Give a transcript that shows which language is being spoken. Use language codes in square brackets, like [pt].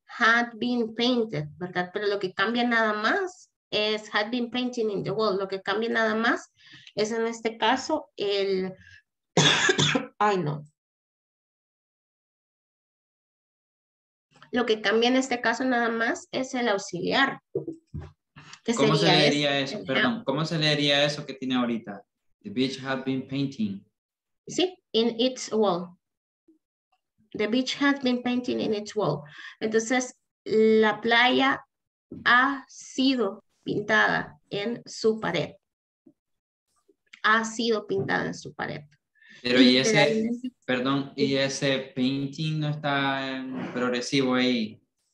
[en] Had been painted, [es] ¿verdad? Pero lo que cambia nada más es [en] had been painting in the wall. [es] Lo que cambia nada más es, en este caso, el... Ay, no. Lo que cambia en este caso nada más es el auxiliar. ¿Qué sería? ¿Cómo se leería eso? Perdón, ¿cómo se leería eso que tiene ahorita? [en] The beach has been painting. Sí, in its wall. The beach has been painting in its wall. [es] Entonces, la playa ha sido pintada en su pared. Ha sido pintada en su pared. Pero y ese, perdón, y ese painting no está en progresivo ahí.